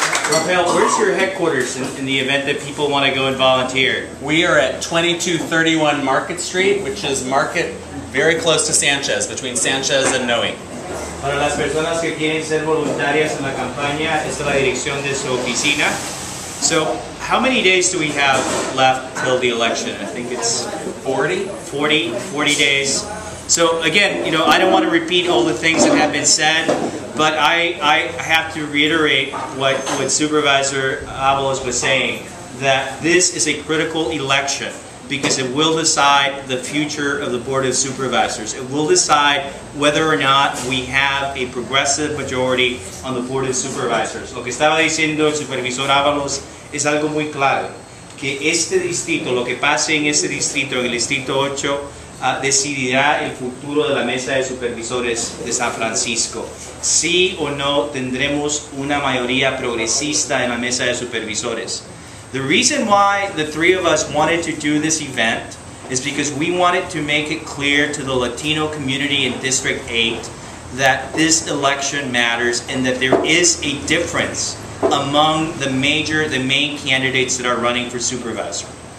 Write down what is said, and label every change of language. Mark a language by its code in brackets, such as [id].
[en] Rafael, where's your headquarters in the event that people want to go and volunteer? We are at 2231 Market Street, which is Market, very close to Sanchez, between Sanchez and Noe. [es] Para las personas que quieren ser voluntarias en la campaña, esta es la dirección de su oficina. [en] So, how many days do we have left till the election? I think it's 40 days. So, again, you know, I don't want to repeat all the things that have been said, but I have to reiterate what Supervisor Avalos was saying, that this is a critical election because it will decide the future of the Board of Supervisors. It will decide whether or not we have a progressive majority on the Board of Supervisors. [es] Lo que estaba diciendo el Supervisor Avalos es algo muy claro, que este distrito, lo que pase en este distrito, en el distrito 8, decidirá el futuro de la Mesa de Supervisores de San Francisco. Sí o no tendremos una mayoría progresista en la Mesa de Supervisores. [en] The reason why the three of us wanted to do this event is because we wanted to make it clear to the Latino community in District 8 that this election matters and that there is a difference among the main candidates that are running for supervisor.